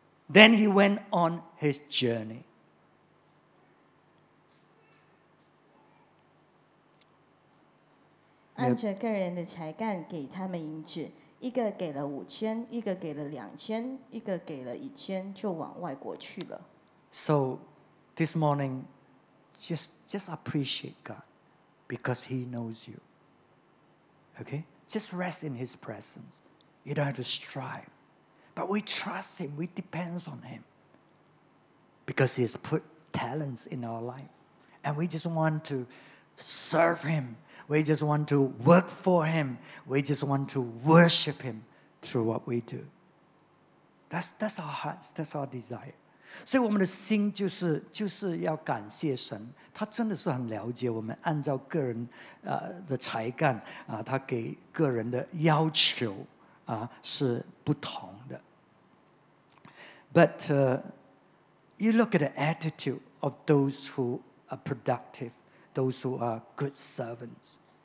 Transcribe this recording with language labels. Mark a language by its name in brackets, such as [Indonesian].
[English] Then he went on his journey. Yep. [Chinese] 按着个人的才干给他们银子，一个给了5000，一个给了2000，一个给了1000，就往外国去了。 [English] So, this morning, just appreciate God because He knows you. Okay, just rest in His presence. You don't have to strive, but we trust Him. We depend on Him because He has put talents in our life, and we just want to serve Him. We just want to work for Him. We just want to worship Him through what we do. That's our hearts. That's our desire. [Chinese] 所以我们的心就是要感谢神，他真的是很了解我们，按照个人的才干啊，他给个人的要求啊是不同的。 [English] But you look at the attitude of those who are productive, those who are good servants.